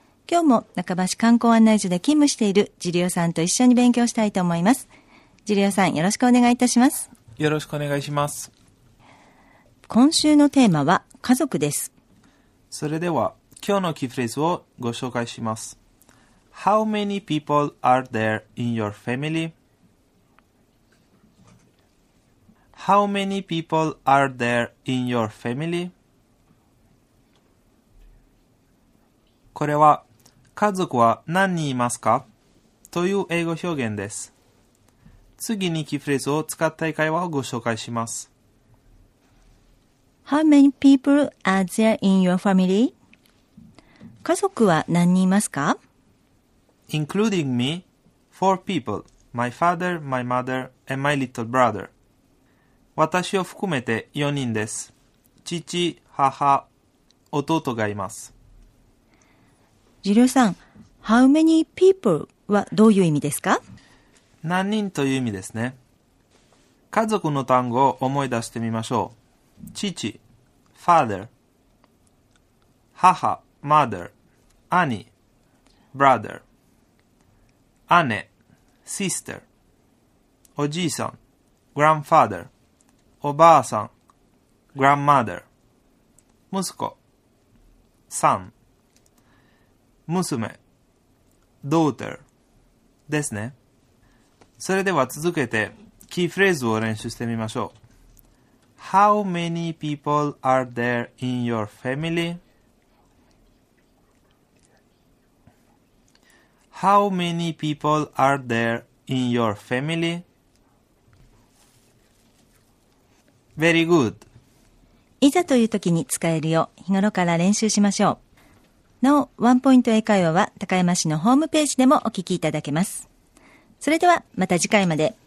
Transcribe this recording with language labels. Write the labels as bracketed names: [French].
[Japanese] 今日も中橋観光案内所で勤務しているジリオさんと一緒に勉強したいと思います。ジリオさん、よろしくお願いいたします。よろしくお願いします。今週のテーマは家族です。それでは今日のキーフレーズをご紹介します。 [English] How many people are there in your family? How many people are there in your family? [Japanese] これは家族は何人いますかという英語表現です。次にキーフレーズを使った会話をご紹介します。 [English] How many people are there in your family? [Japanese] 家族は何人いますか？ [English] Including me, four people, my father, my mother, and my little brother. [Japanese] 私を含めて4人です。父、母、弟がいます。ジリオさん、 How many people はどういう意味ですか？何人という意味ですね。家族の単語を思い出してみましょう。父、father、母、mother、兄、brother、姉、sister、おじいさん、grandfather、おばあさん、grandmother、息子、son、娘、daughter ですね。それでは続けてキーフレーズを練習してみましょう。 [English] How many people are there in your family? How many people are there in your family? Very good. [Japanese] いざという時に使えるよう日頃から練習しましょう。なお、ワンポイント英会話は高山市のホームページでもお聞きいただけます。それではまた次回まで。